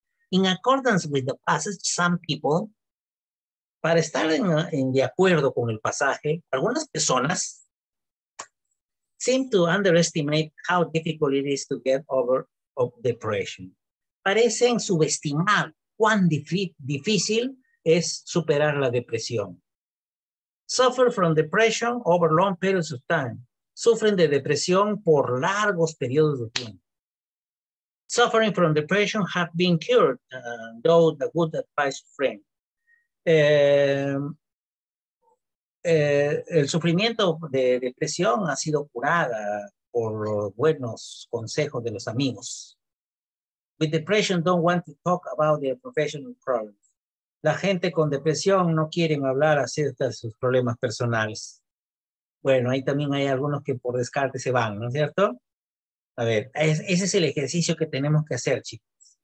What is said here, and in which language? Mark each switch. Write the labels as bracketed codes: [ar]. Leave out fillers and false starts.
[en] In accordance with the passage, some people... [es] Para estar en de acuerdo con el pasaje, algunas personas [en] seem to underestimate how difficult it is to get over of depression. [es] Parecen subestimar cuán difícil es superar la depresión. [en] Suffer from depression over long periods of time. [es] Sufren de depresión por largos periodos de tiempo. [en] Suffering from depression have been cured, though the good advice of friends. [es] El sufrimiento de depresión ha sido curada por los buenos consejos de los amigos. [en] With depression, don't want to talk about their professional problems. [es] La gente con depresión no quiere hablar acerca de sus problemas personales. Bueno, ahí también hay algunos que por descarte se van, ¿no es cierto? A ver, ese es el ejercicio que tenemos que hacer, chicos.